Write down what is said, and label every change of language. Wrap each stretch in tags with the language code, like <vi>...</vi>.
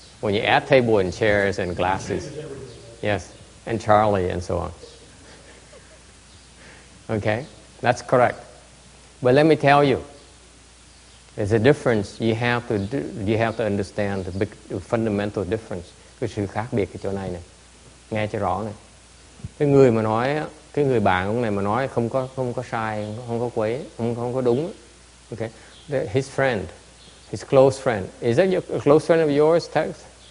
<en>When you add table and chairs and glasses, yes, and Charlie and so on. Okay, that's correct. But let me tell you, there's a difference. You have to understand the big fundamental difference.</en> <vi>Cái sự khác biệt ở chỗ này này, nghe cho rõ này. Cái người mà nói, cái người bạn ông này mà nói không có sai, không có quấy, không có đúng.</vi> <en>Okay, his friend, his close friend. Is that a close friend of yours, Tex?</en>